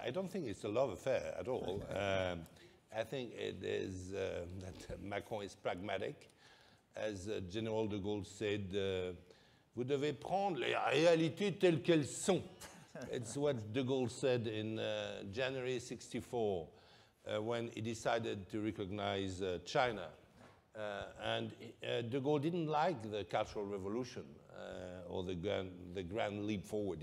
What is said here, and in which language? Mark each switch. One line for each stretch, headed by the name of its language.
English: I don't think it's a love affair at all. I think it is that Macron is pragmatic. As General de Gaulle said,
French: Vous devez prendre les réalités telles qu'elles sont.
English: It's what de Gaulle said in January 64 when he decided to recognize China. And de Gaulle didn't like the Cultural Revolution or the grand leap forward.